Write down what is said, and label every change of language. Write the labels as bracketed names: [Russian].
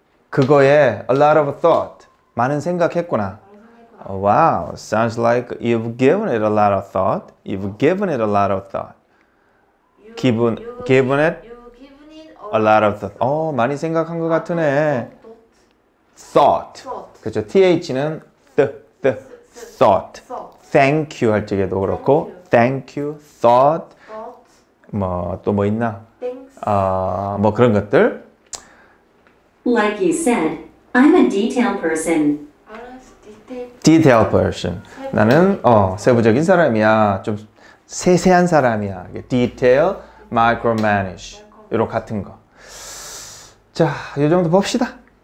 [Korean] 그거에 [English] a lot of thought. [Korean] 많은 생각했구나. [English] Oh, wow. Sounds like you've given it a lot of thought. You've given it a lot of thought. You've given it a lot of thought. [Korean] 어, 많이 생각한 것 같으네. Thought. 그렇죠. TH는 thought. [English] Thank you [Korean] 할 적에도 그렇고 [English] thank you, thought. [Korean] 뭐 또 뭐 있나? [English] Thanks. [Korean] 아, 뭐 그런 것들. [English] Like you said, I'm a detail person. Detail person. [Korean] 나는 세부적인 사람이야. 좀 세세한 사람이야. Detail, micromanage. 이런 같은 거. 자, 요 정도 봅시다.